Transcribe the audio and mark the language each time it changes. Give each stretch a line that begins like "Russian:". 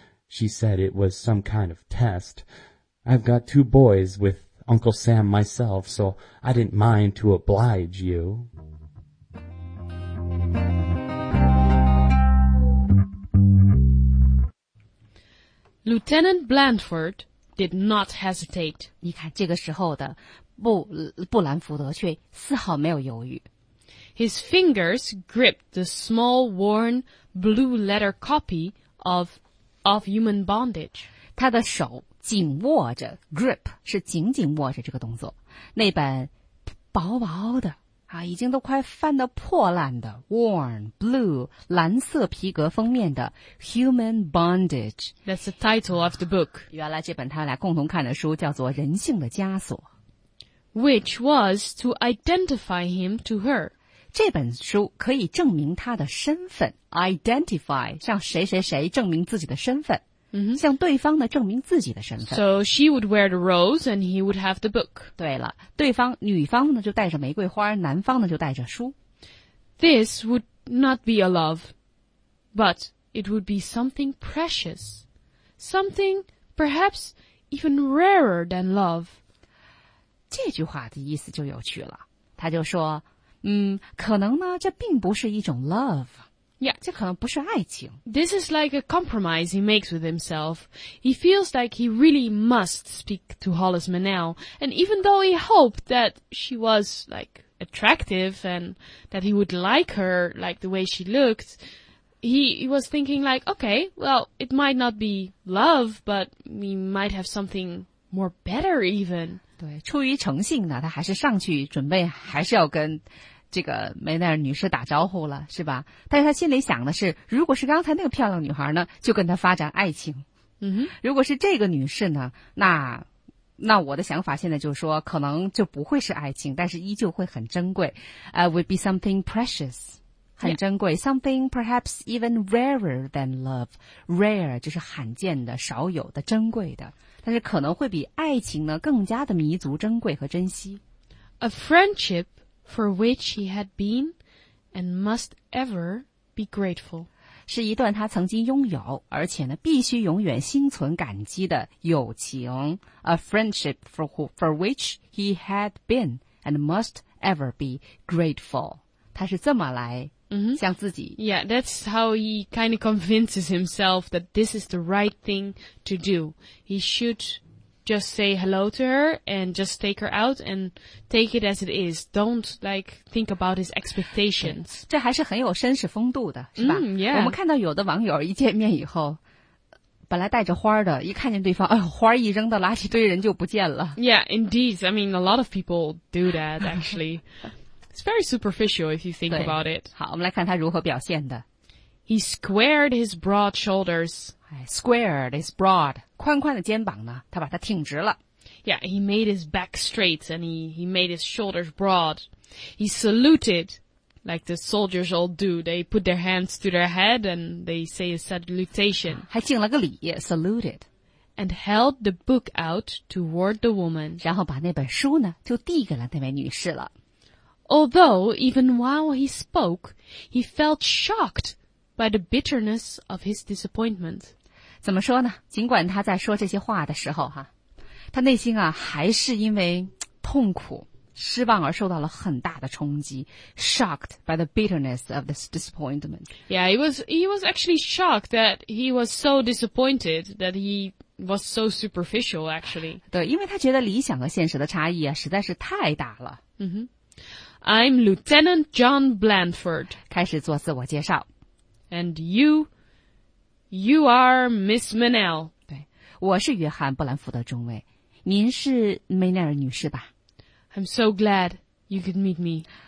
English: She said it was some kind of test. I've got two boys with Uncle Sam myself, so I didn't mind to oblige you. Lieutenant Blandford did not hesitate.
Chinese: 你看这个时候的布兰福德却丝毫没有犹豫。
English: His fingers gripped the small, worn, blue letter copy of human bondage.
Chinese: 他的手紧握着 ,grip, 是紧紧握着这个动作。那本薄薄的啊，已经都快翻得破烂的 ,
English: worn, blue,
Chinese: 蓝色皮革封面的 human bondage.
English: That's the title of the book.
Chinese: 原来这本他俩共同看的书叫做人性的枷锁。
English: Which was to identify him to her.
Chinese: 这本书可以证明他的身份 ,identify, 向谁谁谁证明自己的身份、 mm-hmm. 向对方呢证明自己的身份。
English: So she would wear the rose and he would have the book.
Chinese: 对了对方女方呢就带着玫瑰花男方呢就带着书。
English: This would not be a love, but it would be something precious, something perhaps even rarer than love.
Chinese: 这句话的意思就有趣了他就说可能呢这并不是一种 love.
English: Yeah,
Chinese: 这可能不是爱情。
English: This is like a compromise he makes with himself. He feels like he really must speak to Hollis Manel, and even though he hoped that she was, like, attractive and that he would like her, like, the way she looked, he was thinking like, okay, well, it might not be love, but we might have something more better even.
Chinese: 对出于诚信呢他还是上去准备还是要跟这个梅奈尔女士打招呼了是吧但是他心里想的是如果是刚才那个漂亮女孩呢就跟她发展爱情。嗯哼如果是这个女士呢那我的想法现在就是说可能就不会是爱情但是依旧会很珍贵。
English: Would be something precious.
Chinese: 很珍贵、
English: yeah. ,something perhaps even rarer than love.
Chinese: Rare, 就是罕见的少有的珍贵的。但是可能会比爱情呢更加的弥足珍贵和珍惜。
English: A friendship for which he had been and must ever be grateful.
Chinese: 是一段他曾经拥有而且呢必须永远心存感激的友情。
English: A friendship for which he had been and must ever be grateful.
Chinese: 他是这么来像自己。 Mm-hmm.
English: Yeah, that's how he kind of convinces himself that this is the right thing to do. He should just say hello to her and just take her out and take it as it is. Don't, like, think about his expectations.
Chinese: 这还是很有绅士风度的是吧、
English: yeah.
Chinese: 我们看到有的网友一见面以后本来带着花的一看见对方哎花一扔到垃圾堆人就不见了。
English: Yeah, indeed. I mean, a lot of people do that, actually. It's very superficial if you think about it.
Chinese: 好我们来看他如何表现的。
English: He squared his broad shoulders. Squared his broad.
Chinese: 宽宽的肩膀呢他把它挺直了。
English: Yeah, he made his back straight and he made his shoulders broad. He saluted like the soldiers all do. They put their hands to their head and they say a salutation.
Chinese: 还敬了个礼 saluted.
English: And held the book out toward the woman.
Chinese: 然后把那本书呢就递给了那位女士了。
English: Although, even while he spoke, he felt shocked by the bitterness of his disappointment.
Chinese: 怎么说呢？尽管他在说这些话的时候，他内心啊，还是因为痛苦、失望而受到了很大的冲击。
English: Shocked by the bitterness of this disappointment. Yeah, he was actually shocked that he was so disappointed that he was so superficial, actually.
Chinese: 对，因为他觉得理想和现实的差异啊，实在是太大了。嗯哼。
English: I'm Lieutenant John Blandford.
Chinese: 开始做自我介绍。
English: And you are Miss Manel.
Chinese: 对，我是约翰·布兰福德中尉。您是梅奈尔女士吧
English: ？I'm so glad you could meet me.